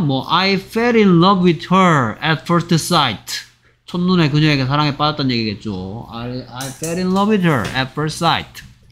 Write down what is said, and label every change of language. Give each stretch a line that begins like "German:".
English: 뭐 I fell in love with her at first sight.
Korean: 첫눈에 그녀에게 사랑에 빠졌다는 얘기겠죠.
English: I fell in love with her at first sight.